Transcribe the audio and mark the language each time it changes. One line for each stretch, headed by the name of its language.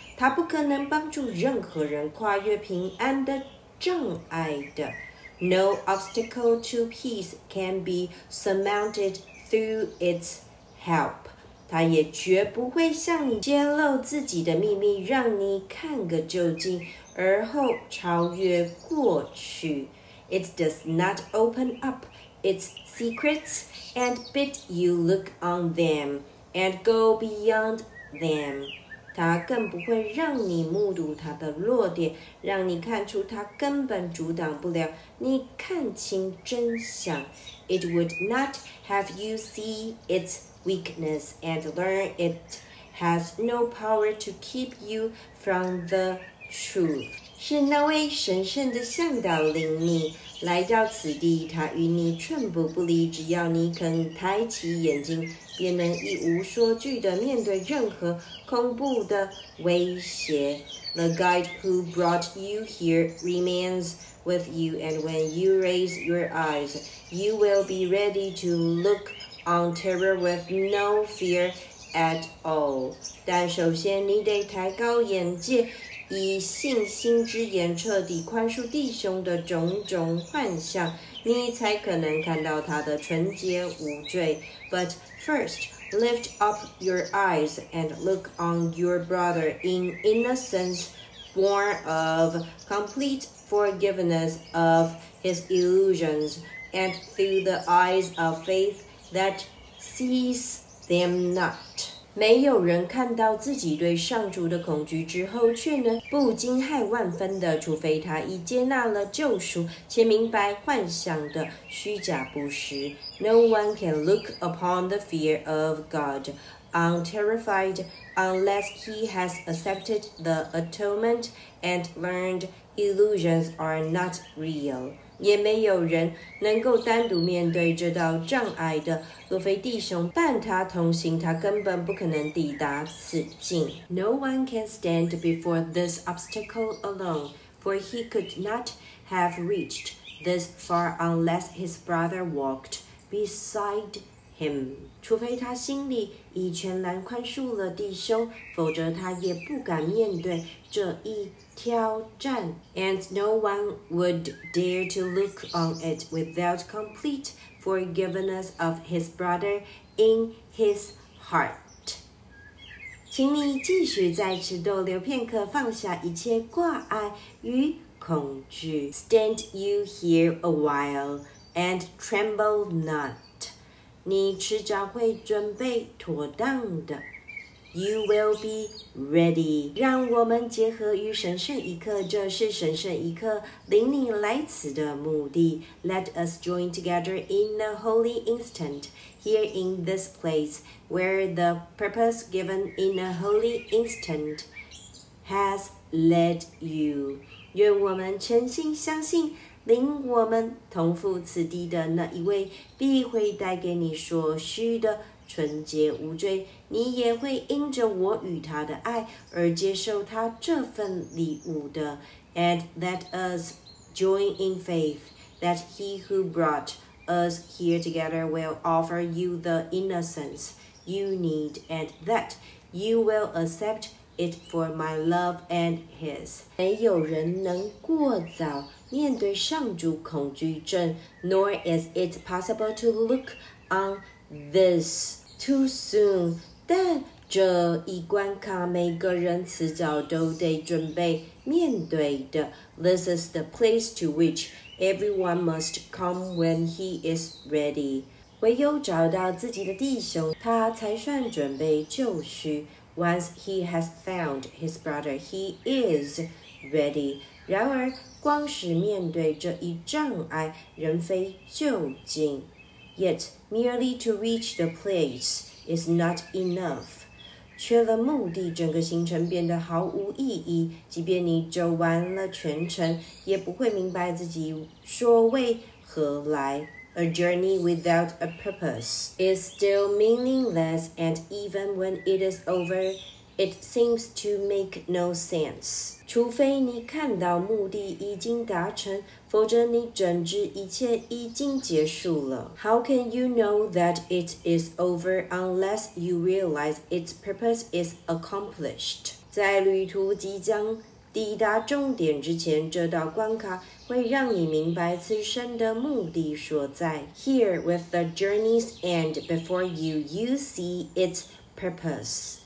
Chinese: 他不可能帮助任何人跨越平安的障碍的。
English: No obstacle to peace can be surmounted through its help.
Chinese: 他也绝不会向你揭露自己的秘密，让你看个究竟，而后超越过去。
English: It does not open up its secrets and bid you look on them and go beyond them.
Chinese: 它更不会让你目睹它的弱点，让你看出它根本阻挡不了你看清真相。
English: It would not have you see its weakness and learn it has no power to keep you from the truth.
Chinese: 是那位神圣的向导领你来到此地，他与你寸步不离，只要你肯抬起眼睛，便能一无所惧地面对任何恐怖的威胁。
English: The guide who brought you here remains with you, and when you raise your eyes, you will be ready to look on terror with no fear at all.
Chinese: 但首先你得抬高眼界，以信心之眼彻底宽恕弟兄的种种幻象，你才可能看到他的纯洁无罪。
English: But first, lift up your eyes and look on your brother in innocence, born of complete forgiveness of his illusions, and through the eyes of faith that sees them not.
Chinese: 没有人看到自己对上主的恐惧之后却能不惊骇万分的，除非他已接纳了救赎且明白幻想的虚假不实。
English: No one can look upon the fear of God unterrified unless he has accepted the atonement and learned illusions are not real.
Chinese: 也没有人能够单独面对这道障碍的，若非弟兄伴他同行，他根本不可能抵达此境。
English: No one can stand before this obstacle alone, for he could not have reached this far unless his brother walked beside him.
Chinese: 除非他心里已全然宽恕了弟兄，否则他也不敢面对这一挑战。
English: And no one would dare to look on it without complete forgiveness of his brother in his heart.
Chinese: 请你继续在此逗留片刻，放下一切挂碍与恐惧。
English: Stand you here a while and tremble not.
Chinese: 你迟早会准备妥当的。
English: You will be ready.
Chinese: 让我们结合于神圣一刻，这是神圣一刻领你来此的目的。
English: Let us join together in a holy instant here in this place where the purpose given in a holy instant has led you.
Chinese: 愿我们全心相信领我们同赴此地的那一位必会带给你所需的纯洁无罪，你也会因着我与他的爱而接受他这份礼物的。
English: And let us join in faith that he who brought us here together will offer you the innocence you need and that you will accept it for my love and his.
Chinese: 没有人能过早面对上主恐惧症，
English: nor is it possible to look on this too soon,
Chinese: 但这一关卡每个人迟早都得准备面对的。
English: This is the place to which everyone must come when he is ready.
Chinese: 唯有找到自己的弟兄，他才算准备就绪。
English: Once he has found his brother, he is ready.
Chinese: 然而光是面对这一障碍仍非究竟。
English: Yet, merely to reach the place is not enough.
Chinese: 缺了目的，整个行程变得毫无意义。即便你走完了全程，也不会明白自己所为何来。
English: A journey without a purpose is still meaningless, and even when it is over, it seems to make no sense.
Chinese: 除非你看到目的已经达成，否则你整治一切已经结束了。
English: How can you know that it is over unless you realize its purpose is accomplished?
Chinese: 在旅途即将抵达终点之前，这道关卡会让你明白此生的目的所在。
English: Here with the journey's end before you, you see its purpose.